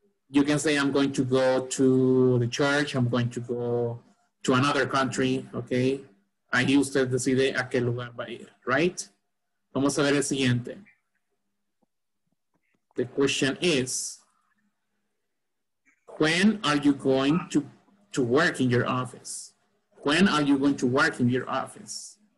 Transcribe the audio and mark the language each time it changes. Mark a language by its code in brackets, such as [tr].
[en] You can say, I'm going to go to the church. I'm going to go to another country. Okay. [es] Ahí usted decide a qué lugar va a ir. Right. Vamos a ver el siguiente. [en] The question is, when are you going to work in your office? When are you going to work in your office?